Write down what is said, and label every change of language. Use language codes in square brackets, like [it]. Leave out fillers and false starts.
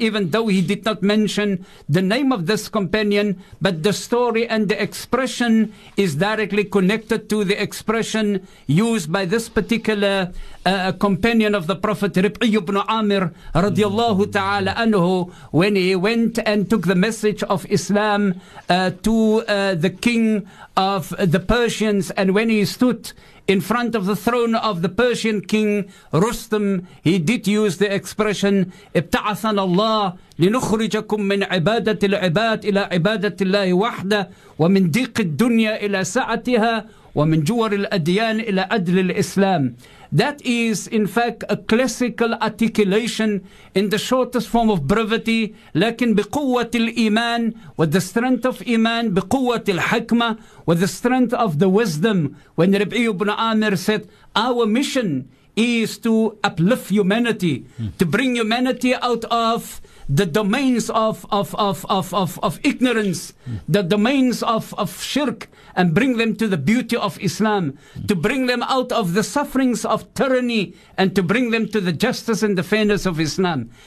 [en] Even though he did not mention the name of this companion, but the story and the expression is directly connected to the expression used by this particular companion of the Prophet, Rib'i ibn Amir radiallahu ta'ala anhu, when he went and took the message of Islam to the king of the Persians. And when he stood in front of the throne of the Persian king Rustam, he did use the expression [ar] ابتعثنا الله لنخرجكم من عبادة العباد إلى عبادة الله وحده ومن ضيق الدنيا إلى سعتها ومن جوار الأديان إلى أدل الإسلام. [en] That is, in fact, a classical articulation in the shortest form of brevity, [ar] لكن بقوة الإيمان, [en] with the strength of إيمان, [ar] بقوة الحكمة, [en] with the strength of the wisdom. When Rabi'i ibn Amir said, our mission is to uplift humanity, to bring humanity out of the domains of ignorance, the domains of shirk, and bring them to the beauty of Islam, to bring them out of the sufferings of tyranny, and to bring them to the justice and the fairness of Islam.